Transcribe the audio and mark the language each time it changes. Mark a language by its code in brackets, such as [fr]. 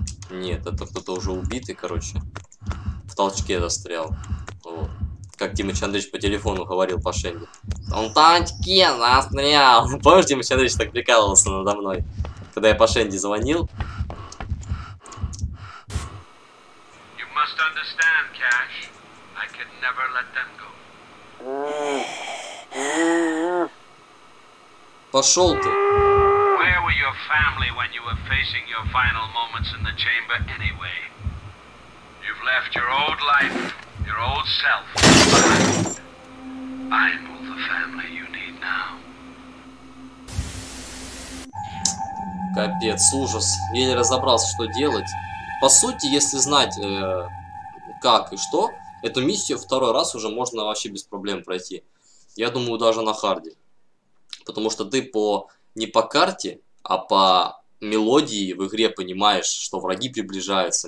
[ru] Нет, это кто-то уже убитый, короче. В толчке застрял. Вот. Как Димыч Андреевич по телефону говорил по Шенде. Он в толчке застрял. Помнишь, Димыч Андреевич так прикалывался надо мной? Когда я по Шенди звонил. [en] You must understand, Cash. I can never let them go. [ru] Пошел ты. [en] Where were your family when you were facing your final moments in the chamber anyway? You've left your old life, your old self. I'm all the family you need now. [ru] Капец, ужас. Я не разобрался, что делать. По сути, если знать, как и что, эту миссию второй раз уже можно вообще без проблем пройти. Я думаю, даже на харде. Потому что ты не по карте, а по мелодии в игре понимаешь, что враги приближаются.